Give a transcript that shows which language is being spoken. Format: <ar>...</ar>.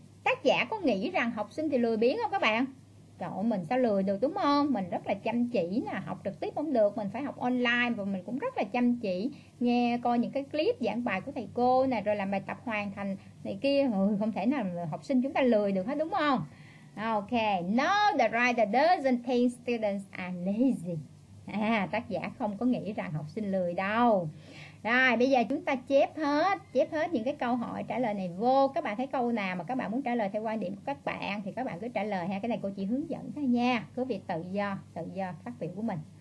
<vi>Tác giả có nghĩ rằng học sinh thì lười biếng không các bạn? Trời ơi, mình sao lười được đúng không? Mình rất là chăm chỉ nè, học trực tiếp không được, mình phải học online và mình cũng rất là chăm chỉ nghe coi những cái clip giảng bài của thầy cô nè, rồi làm bài tập hoàn thành này kia. Ừ, không thể nào học sinh chúng ta lười được hết đúng không?</vi> <en>Ok, no, the writer doesn't think students are lazy.</en> <vi>À, tác giả không có nghĩ rằng học sinh lười đâu. Rồi bây giờ chúng ta chép hết những cái câu hỏi trả lời này vô. Các bạn thấy câu nào mà các bạn muốn trả lời theo quan điểm của các bạn thì các bạn cứ trả lời ha. Cái này cô chỉ hướng dẫn thôi nha, cứ việc tự do phát biểu của mình.</vi>